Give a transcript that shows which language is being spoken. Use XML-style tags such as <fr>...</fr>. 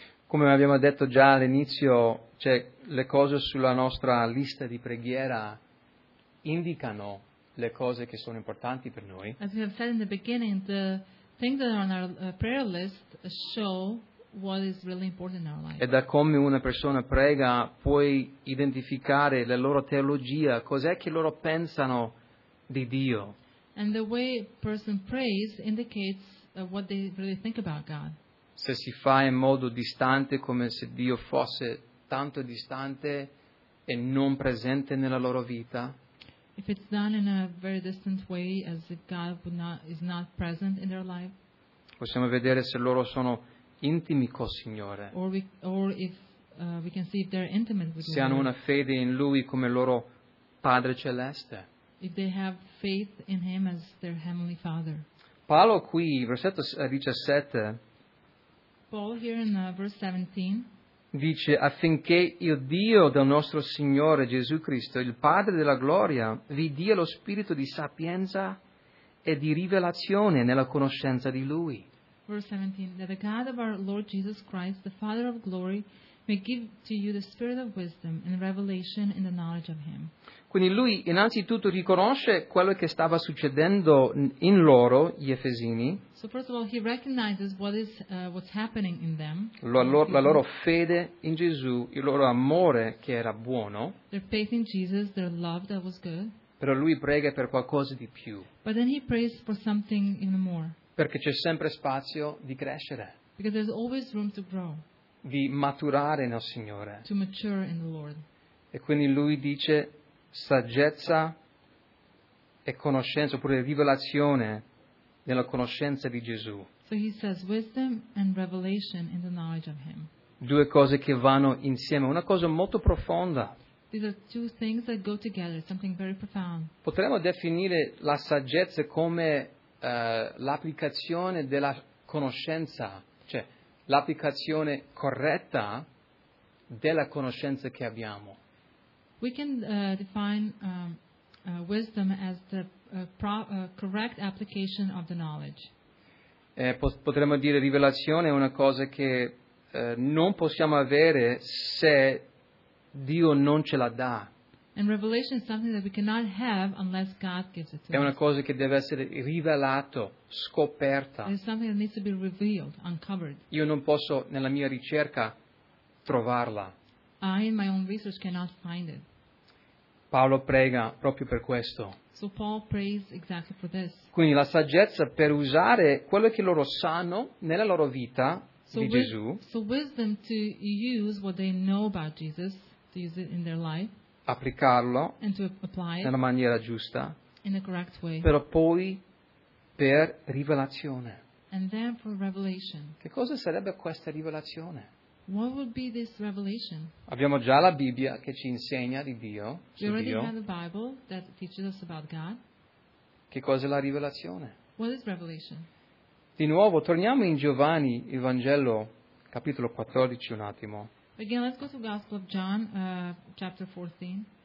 <it>Come abbiamo detto già all'inizio, cioè, le cose sulla nostra lista di preghiera indicano le cose che sono importanti per noi.</it> <en>As we have said in the beginning, the things that are on our prayer list show what is really important in our life.</en> <it>E da come una persona prega puoi identificare la loro teologia, cos'è che loro pensano di Dio.</it> <en>And the way a person prays indicates what they really think about God.</en> <it>Se si fa in modo distante, come se Dio fosse tanto distante e non presente nella loro vita.</it> <en>If it's done in a very distant way, as if God would not, is not present in their life.</en> <it>Possiamo vedere se loro sono intimi col Signore.</it> <en>Or if we can see if they're intimate with Him.</en> <it>Se hanno una fede in Lui come loro Padre Celeste.</it> <en>If they have faith in Him as their Heavenly Father.</en> <it>Paolo qui, versetto 17.</it> <en>Paul here in verse 17.</en> <it>Dice, affinché il Dio del nostro Signore Gesù Cristo, il Padre della Gloria, vi dia lo spirito di sapienza e di rivelazione nella conoscenza di Lui.</it> <en>Verse 17, that the God of our Lord Jesus Christ, the Father of glory, may give to you the spirit of wisdom and revelation in the knowledge of Him.</en> <it>Quindi Lui innanzitutto riconosce quello che stava succedendo in loro, gli Efesini.</it> <en>So first of all, He recognizes what is what's happening in them.</en> <it>La loro fede in Gesù, il loro amore che era buono.</it> <en>Their faith in Jesus, their love that was good.</en> <it>Però Lui prega per qualcosa di più.</it> <en>But then He prays for something even more.</en> <it>Perché c'è sempre spazio di crescere.</it> <en>Because there's always room to grow.</en> <it>Di maturare nel Signore.</it> <en>To mature in the Lord.</en> <it>E quindi Lui dice saggezza e conoscenza, oppure rivelazione nella conoscenza di Gesù.</it> <en>So He says wisdom and revelation in the knowledge of Him.</en> <it>Due cose che vanno insieme, una cosa molto profonda.</it> <en>These are two things that go together, something very profound.</en> <it>Potremmo definire la saggezza come l'applicazione della conoscenza, cioè l'applicazione corretta della conoscenza che abbiamo.</it> <en>We can define wisdom as the correct application of the knowledge.</en> <it>Potremmo dire rivelazione è una cosa che non possiamo avere se Dio non ce la dà.</it> <en>And revelation is something that we cannot have unless God gives it to us.</en> <it>È una cosa che deve essere rivelato, scoperta.</it> <en>It's something that needs to be revealed, uncovered.</en> <it>Io non posso nella mia ricerca trovarla.</it> <en>I, in my own research, cannot find it.</en> <it>Paolo prega proprio per questo.</it> <en>So Paul prays exactly for this.</en> <it>Quindi la saggezza per usare quello che loro sanno nella loro vita</it> <en>so</en> <it>di Gesù.</it> <en>So wisdom to use what they know about Jesus, to use it in their life.</en> <it>Applicarlo</it> <en>and to apply it</en> <it>nella maniera giusta.</it> <en>In a correct way.</en> <it>Però poi per rivelazione.</it> <en>And then for revelation.</en> <it>Che cosa sarebbe questa rivelazione?</it> <en>What would be this revelation?</en> <it>Abbiamo già la Bibbia che ci insegna di Dio.</it> <en>We already have the Bible that teaches us about God.</en> <it>Che cosa è la rivelazione?</it> <en>What is revelation?</en> <it>Di nuovo, torniamo in Giovanni, il Vangelo, capitolo 14, un attimo.</it> <en>Again, let's go to the Gospel of John, chapter 14.</en>